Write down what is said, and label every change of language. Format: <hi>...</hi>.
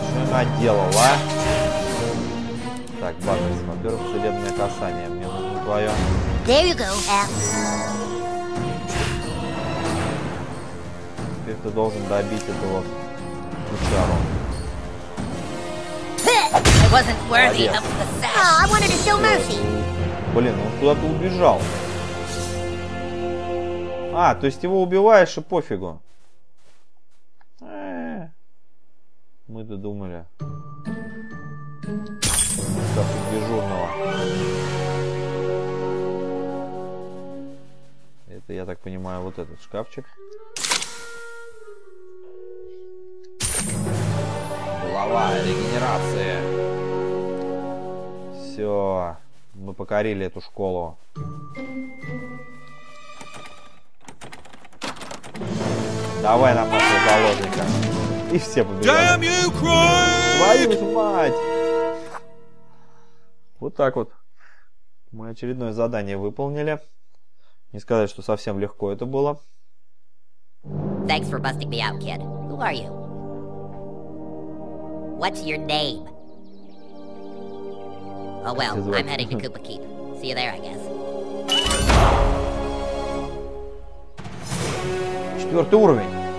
<ru>Наделал, а? Так, Баттерс, во-первых, целебное касание мне нужно твое.</ru> <en>There you go, Al.</en> <ru>Теперь ты должен добить этого кучару.</ru> <en>I wasn't worthy of the sash. Oh, I wanted to show mercy.</en> <ru>Блин, он куда-то убежал. А, то есть его убиваешь и пофигу. Мы додумали. Так, дежурного. Это, я так понимаю, вот этот шкафчик. Глава регенерации. Все. Мы покорили эту школу. Давай нам нашу заложника. И все побежали.</ru> <en>Damn you, Craig!</en> <ru>Твою мать! Вот так вот. Мы очередное задание выполнили. Не сказать, что совсем легко это было.</ru> <en>Thanks for busting me out, kid. Who are you? What's your name? Oh well, I'm heading to Koopa Keep. See you there, I guess.</en> <ru>Четвертый уровень.</ru>